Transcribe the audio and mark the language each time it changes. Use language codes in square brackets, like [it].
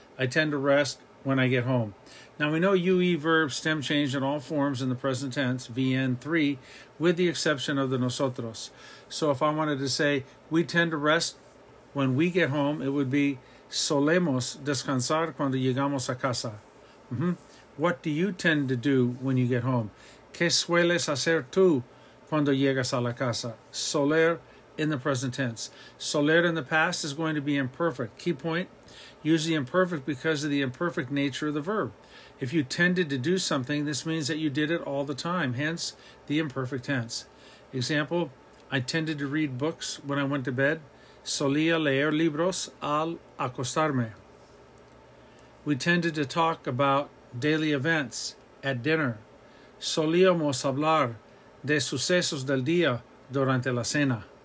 [en] I tend to rest when I get home. Now we know UE verbs stem change in all forms in the present tense, VN3, with the exception of the nosotros. So if I wanted to say, we tend to rest when we get home, it would be [es] solemos descansar cuando llegamos a casa. [en] Mm-hmm. What do you tend to do when you get home? [es] ¿Qué sueles hacer tú cuando llegas a la casa? [en] Soler in the present tense. Soler in the past is going to be imperfect. Key point, use the imperfect because of the imperfect nature of the verb. If you tended to do something, this means that you did it all the time, hence the imperfect tense. Example, I tended to read books when I went to bed. [es] Solía leer libros al acostarme. [en] We tended to talk about daily events at dinner. [es] Solíamos hablar de sucesos del día durante la cena.